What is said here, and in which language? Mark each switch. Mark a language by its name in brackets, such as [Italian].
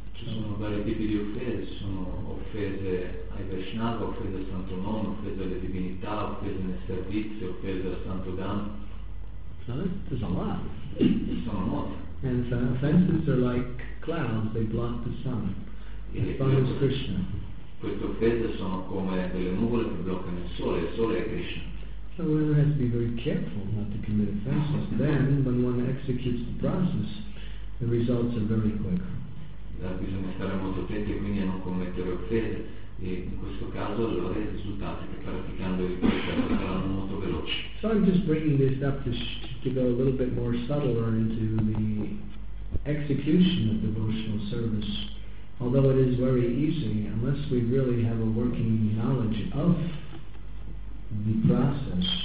[Italian] Ci sono vari tipi di offese, sono offese ai Vaishnava, offese al Santo Nome, offese alle divinità, offese nel servizio, offese al Santo Dhamma. [English] There's a lot. [Italian] Sono molte. [English] And the offenses are like clouds, they block the sun. As far as Krishna. [Italian] Queste offese sono come delle nuvole che bloccano il sole è Krishna. [English] So one has to be very careful not to commit offenses. Then, when one executes the process, the results are very quick. [Italian] Bisogna stare molto attenti quindi a non commettere offese e in questo caso avrete risultati che praticando il processo saranno molto veloci. [English] So I'm just bringing this up to go a little bit more subtle into the execution of devotional service, although it is very easy unless we really have a working knowledge of the process.